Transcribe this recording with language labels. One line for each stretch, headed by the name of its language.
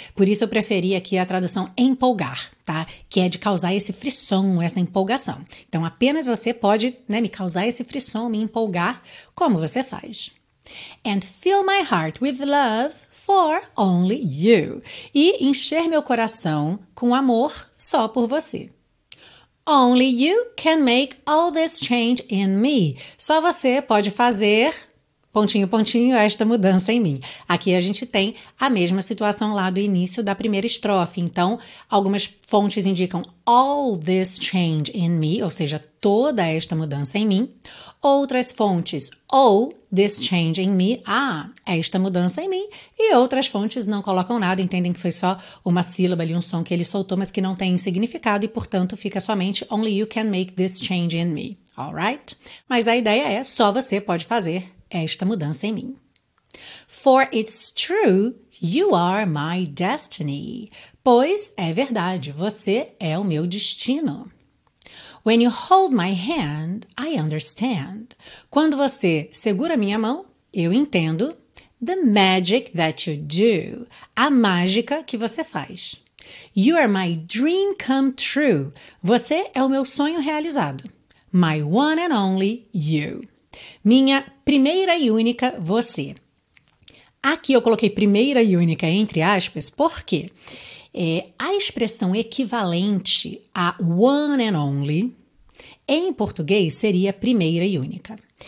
Portuguese: Por isso eu preferi aqui a tradução empolgar, tá? Que é de causar esse frisson, essa empolgação. Então apenas você pode, né, me causar esse frisson, me empolgar, como você faz.
English: And fill my heart with love for only you.
Portuguese: E encher meu coração com amor só por você.
English: Only you can make all this change in me.
Portuguese: Só você pode fazer, pontinho, pontinho, esta mudança em mim. Aqui a gente tem a mesma situação lá do início da primeira estrofe. Então, algumas fontes indicam
English: all this change in me,
Portuguese: ou seja, toda esta mudança em mim. Outras fontes,
English: all this change in me,
Portuguese: esta mudança em mim. E outras fontes não colocam nada, entendem que foi só uma sílaba ali, um som que ele soltou, mas que não tem significado e, portanto, fica somente
English: only you can make this change in me, alright?
Portuguese: Mas a ideia é só você pode fazer esta mudança em mim.
English: For it's true, you are my destiny.
Portuguese: Pois é verdade, você é o meu destino.
English: When you hold my hand, I understand.
Portuguese: Quando você segura minha mão, eu entendo.
English: The magic that you do.
Portuguese: A mágica que você faz.
English: You are my dream come true.
Portuguese: Você é o meu sonho realizado.
English: My one and only you.
Portuguese: Minha primeira e única você. Aqui eu coloquei primeira e única entre aspas, porque a expressão equivalente a one and only em português seria primeira e única.